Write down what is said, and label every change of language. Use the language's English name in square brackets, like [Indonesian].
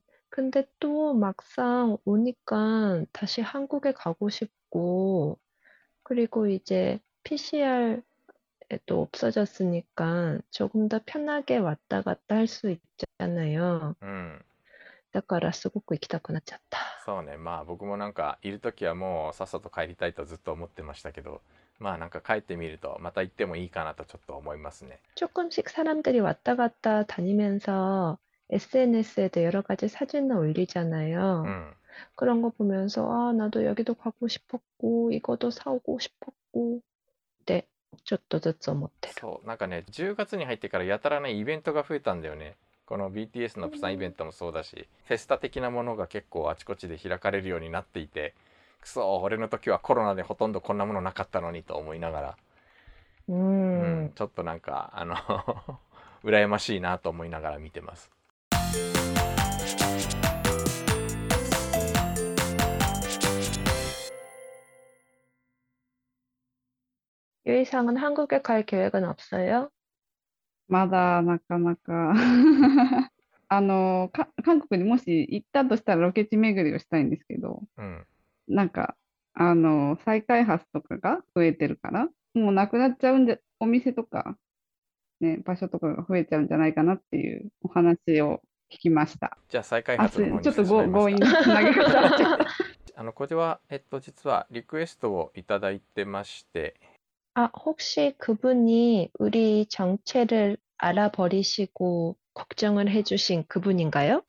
[Korean] 근데 또 막상 오니까 다시 한국에 가고 싶고, 그리고 이제 PCR, 또 없어졌으니까 조금 더 편하게 왔다 갔다 할수 있잖아요. [Japanese] だからすごく行きたくなっちゃった。そうね、まあ僕もなんかいるときはもうさっさと帰りたいとずっと思ってましたけど、まあなんか帰ってみるとまた行ってもいいかなとちょっと思いますね。 [Korean] 조금씩 사람들이 왔다 갔다 다니면서 SNS에도 여러 가지 사진을 올리잖아요. 그런 거 보면서 아, 나도 여기도 가고 싶었고 이것도 사오고 싶었고. 네. [Japanese] ちょっとずつ思ってる。そう、なんかね、10月に入ってからやたらね、イベントが増えたんだよね。この BTS のプサンイベントもそうだし、フェスタ的なものが結構あちこちで開かれるようになっていて、くそ、俺の時はコロナでほとんどこんなものなかったのにと思いながら、ちょっとなんか、羨ましいなと思いながら見てます。ゆいさんは韓国へ帰る計画はないですか？まだなかなか 韓国にもし行ったとしたらロケ地巡りをしたいんですけど、なんか、再開発とかが増えてるから、もうなくなっちゃうんじゃ、お店とか、ね、場所とかが増えちゃうんじゃないかなっていうお話を聞きました。じゃあ再開あ、発ちの方にょっ行ってとしまいます引に投げかかっちゃった。これは、実はリクエストをいただいてまして、 [Korean] あ、혹시 그분이 우리 정체를 알아버리시고 걱정을 해주신 그분인가요?